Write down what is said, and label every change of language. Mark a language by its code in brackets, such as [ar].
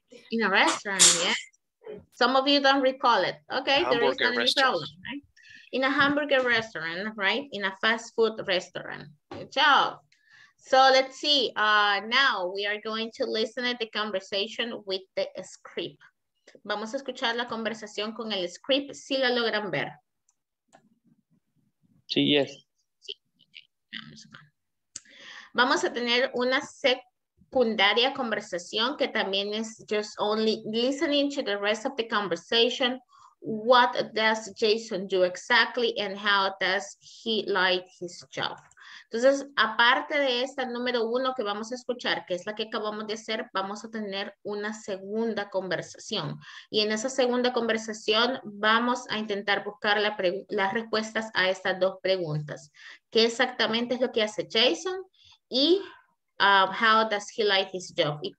[en] In a restaurant, yes. Some of you don't recall it. Okay, there is no problem, right? In a hamburger restaurant, right? In a fast food restaurant. Good job. So let's see. Now we are going to listen to the conversation with the script. [es] Vamos a escuchar la conversación con el script, si la logran ver. Sí, yes. Sí. Vamos a tener una secundaria conversación que también es [en] just only listening to the rest of the conversation. What does Jason do exactly and how does he like his job? [es] Entonces, aparte de esta número uno que vamos a escuchar, que es la que acabamos de hacer, vamos a tener una segunda conversación. Y en esa segunda conversación vamos a intentar buscar las respuestas a estas dos preguntas. ¿Qué exactamente es lo que hace Jason? Y [en] how does he like his job?